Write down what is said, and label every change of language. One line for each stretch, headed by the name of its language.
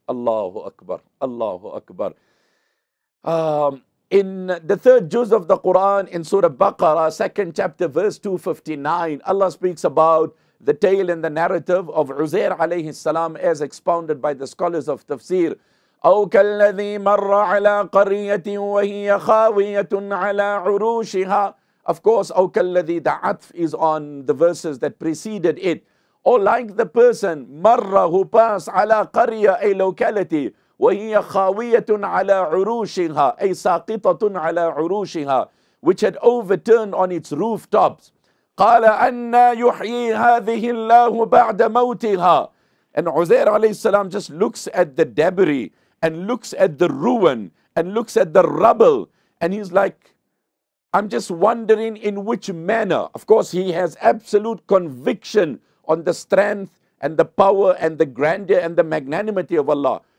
English: Allahu Akbar, Allahu Akbar. In the third juz of the Quran, in Surah Baqarah, second chapter, verse 259, Allah speaks about the tale and the narrative of Uzair alayhi salam, as expounded by the scholars of tafsir.
Arabic: أو كالذي مر على قرية وهي خاوية على عروشها.
English: Of course,
Arabic: أو كالذي,
English: the عطف is on the verses that preceded it. Or like the person,
Arabic: مر,
English: who passed,
Arabic: على قرية,
English: a locality,
Arabic: وهي خاوية على عروشها,
English: a
Arabic: ساقطة على عروشها,
English: which had overturned on its rooftops.
Arabic: قال أن يحيي هذه الله بعد موتها.
English: And Uzair عليه السلام just looks at the debris and looks at the ruin and looks at the rubble, and he's like, I'm just wondering in which manner. Of course, he has absolute conviction on the strength and the power and the grandeur and the magnanimity of Allah.